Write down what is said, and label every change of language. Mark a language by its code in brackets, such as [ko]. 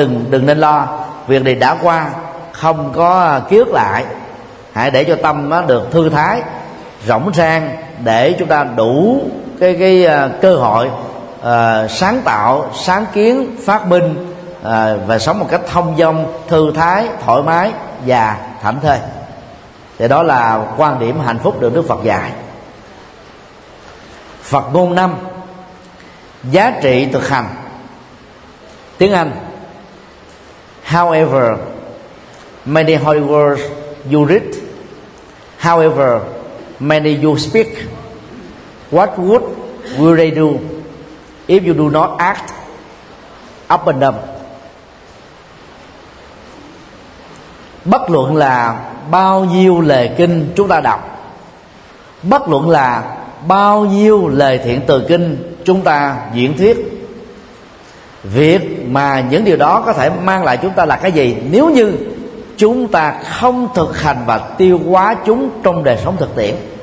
[vi] đừng nên lo, việc gì đã qua không có ký ức lại, hãy để cho tâm nó được thư thái, rỗng rang, để chúng ta đủ cái cơ hội sáng tạo, sáng kiến, phát minh và sống một cách thông dong, thư thái, thoải mái và thảnh thơi. Thì đó là quan điểm hạnh phúc được Đức Phật dạy. Phật ngôn năm, giá trị thực hành. Tiếng Anh: [en] However, many holy words you read, however many you speak, what would will they do if you do not act upon them? [vi] Bất luận là bao nhiêu lời kinh chúng ta đọc, bất luận là bao nhiêu lời thiện từ kinh chúng ta diễn thuyết, việc mà những điều đó có thể mang lại chúng ta là cái gì nếu như chúng ta không thực hành và tiêu hóa chúng trong đời sống thực tiễn.